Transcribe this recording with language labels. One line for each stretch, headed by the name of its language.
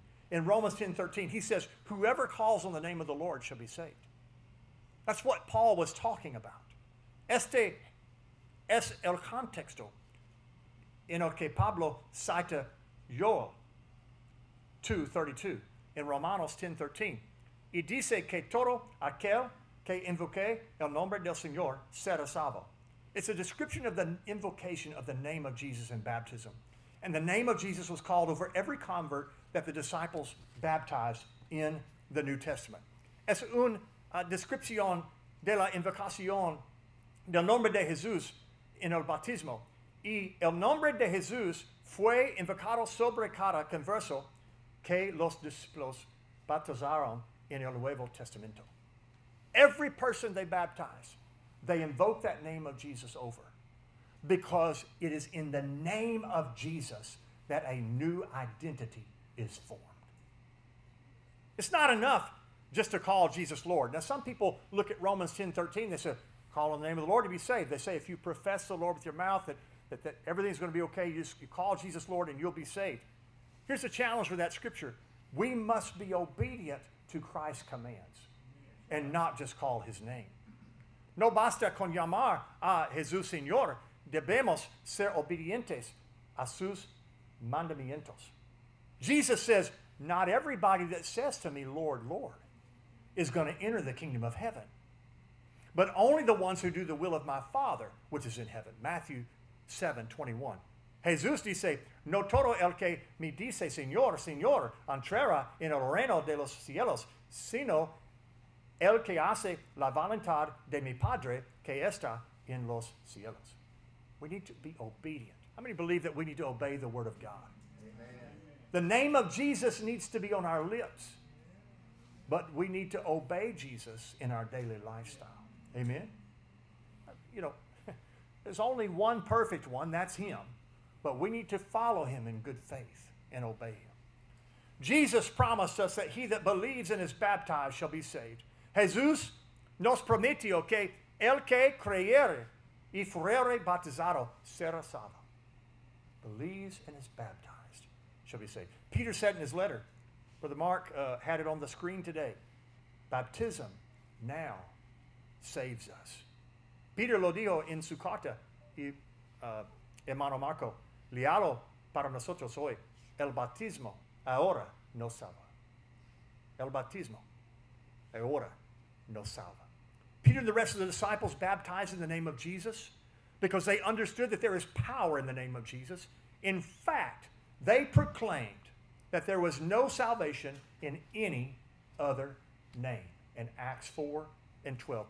English: In Romans 10:13, he says, whoever calls on the name of the Lord shall be saved. That's what Paul was talking about.
Spanish: Este es el contexto en el que Pablo cita Joel 2:32 in Romanos 10:13. Y dice que todo aquel que invoque el nombre del Señor será salvo.
English: It's a description of the invocation of the name of Jesus in baptism. And the name of Jesus was called over every convert that the disciples baptized in the New Testament.
Spanish: Es una descripción de la invocación del nombre de Jesús en el bautismo. Y el nombre de Jesús fue invocado sobre cada converso que los discípulos bautizaron en el Nuevo Testamento.
English: Every person they baptized, they invoke that name of Jesus over. Because it is in the name of Jesus that a new identity is formed. It's not enough just to call Jesus Lord. Now, some people look at Romans 10:13, they say, call on the name of the Lord to be saved. They say, if you profess the Lord with your mouth, that everything's going to be okay, you call Jesus Lord and you'll be saved. Here's the challenge with that scripture. We must be obedient to Christ's commands and not just call his name.
Spanish: No basta con llamar a Jesús Señor. Debemos ser obedientes a sus mandamientos.
English: Jesus says, not everybody that says to me, Lord, Lord, is going to enter the kingdom of heaven, but only the ones who do the will of my Father, which is in heaven. Matthew 7:21.
Spanish: Jesus dice, no todo el que me dice, Señor, Señor, entrará en el reino de los cielos, sino el que hace la voluntad de mi Padre que está en los cielos.
English: We need to be obedient. How many believe that we need to obey the word of God? Amen. The name of Jesus needs to be on our lips. But we need to obey Jesus in our daily lifestyle. Amen? You know, there's only one perfect one. That's him. But we need to follow him in good faith and obey him. Jesus promised us that he that believes and is baptized shall be saved.
Spanish: Jesús nos prometió que el que creyere y fuere bautizado será salvo.
English: Believes and is baptized shall be saved. Peter said in his letter, Brother Mark had it on the screen today, baptism now saves us.
Spanish: Peter lo dijo en su carta, y hermano Marco, léalo para nosotros hoy, el bautismo ahora nos salva. El bautismo ahora nos salva.
English: Peter and the rest of the disciples baptized in the name of Jesus because they understood that there is power in the name of Jesus. In fact, they proclaimed that there was no salvation in any other name in Acts 4 and 12.